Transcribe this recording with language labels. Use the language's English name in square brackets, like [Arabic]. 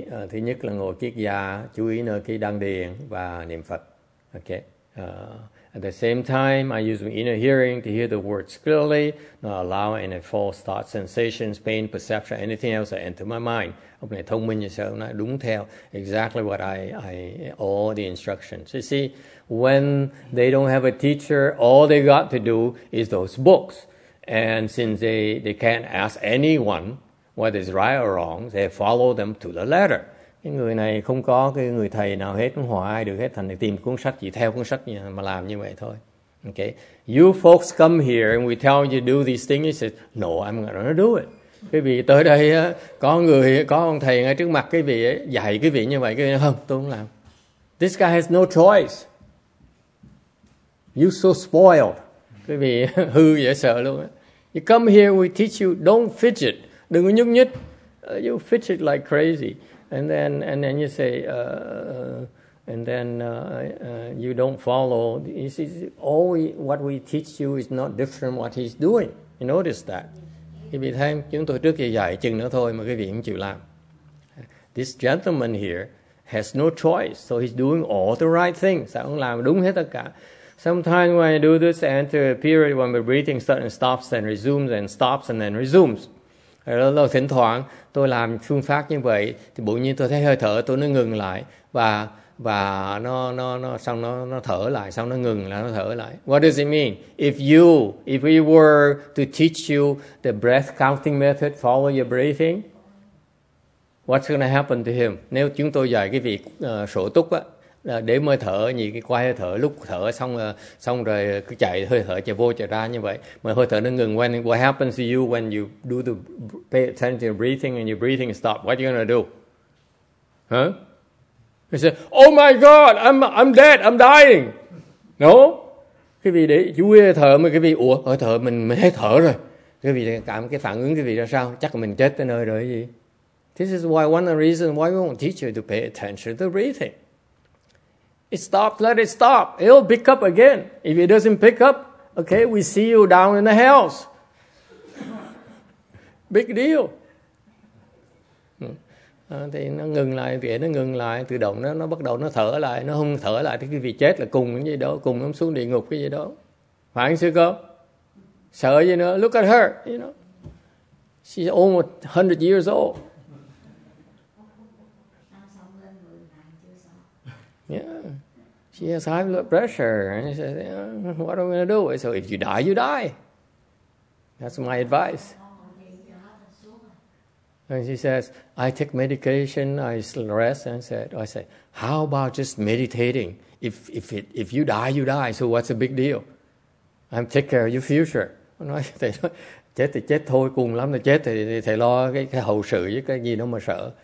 [Vietnamese] Thứ nhất là ngồi kiết già, chú ý nơi cái đăng điền và niệm Phật. [English] Okay. At the same time, I use my inner hearing to hear the words clearly, not allow any false thoughts, sensations, pain, perception, anything else to enter my mind. [Vietnamese] Ông này thông minh như sao, ông nói đúng theo [English] exactly what I all the instructions. You see, when they don't have a teacher, all they got to do is those books. And since they can't ask anyone what is right or wrong, they follow them to the letter. [Vietnamese] Cái người này không có cái người thầy nào hết, không hỏi ai được hết, thành tìm cuốn sách, chỉ theo cuốn sách mà làm như vậy thôi. [English] Okay. You folks come here and we tell you to do these things, you say, no, I'm not going to do it. [Vietnamese] Cái vị tới đây có người, có ông thầy ngay trước mặt cái vị dạy cái vị như vậy, cái vị nói, không, tôi không làm. [English] This guy has no choice. You're so spoiled. [Vietnamese] Cái vị hư dễ sợ luôn. [English] You come here, we teach you, don't fidget. [Vietnamese] Đừng có nhúc nhích. [English] You fidget like crazy. And then you say, you don't follow. You see, what we teach you is not different from what he's doing. You notice that. [Vietnamese] Quý vị thấy, chúng tôi trước kia dạy chừng nữa thôi mà quý vị không chịu làm. [English] This gentleman here has no choice, so he's doing all the right things. [Vietnamese] Sao ông làm đúng hết tất cả. [English] Sometimes when I do this, I enter a period when my breathing suddenly stops and resumes and stops and then resumes. [Vietnamese] Rồi thỉnh thoảng tôi làm phương pháp như vậy thì bỗng nhiên tôi thấy hơi thở tôi nó ngừng lại và nó thở lại, xong nó ngừng lại, nó thở lại. [English] What does it mean? If we were to teach you the breath counting method, follow your breathing, what's going to happen to him? [Vietnamese] Nếu chúng tôi dạy cái việc sổ túc á, để hơi thở, nhìn cái quay hơi thở, lúc thở xong rồi cứ chạy hơi thở chạy vô chạy ra như vậy, mà hơi thở nó ngừng. [English] What happens to you when you do the pay attention to your breathing and your breathing stop? What are you gonna do? Huh? He said, "Oh my God, I'm dead, I'm dying." No. [Vietnamese] Quý vị để chú ý thở, mà quý vị, ủa, hơi thở, mình hết thở rồi. Quý vị cảm cái phản ứng quý vị ra sao? Chắc là mình chết tới nơi rồi gì? [English] This is why one of the reasons why we won't teach you to pay attention to the breathing. It stops, let it stop. It'll pick up again. If it doesn't pick up, okay, we see you down in the hells. Big deal. [Vietnamese] Thì nó ngừng lại, thì nó ngừng lại, tự động nó bắt đầu nó thở lại, nó không thở lại thì cái vị chết là cùng cái gì đó, cùng nó xuống địa ngục cái gì đó. Phải không sư cô? Sợ gì nữa? [English] Look at her, you know. She's almost 100 years old. Yeah. She has high blood pressure. And she says, yeah, what am I going to do? So if you die, you die. That's my advice. And she says, I take medication, I rest, and said, I say, how about just meditating? If you die, you die, so what's the big deal? I'm take care of your future. [Vietnamese] Nói, thầy nói, chết thì chết thôi, cùng lắm là chết thì thầy lo cái hậu sự với cái gì đâu mà sợ.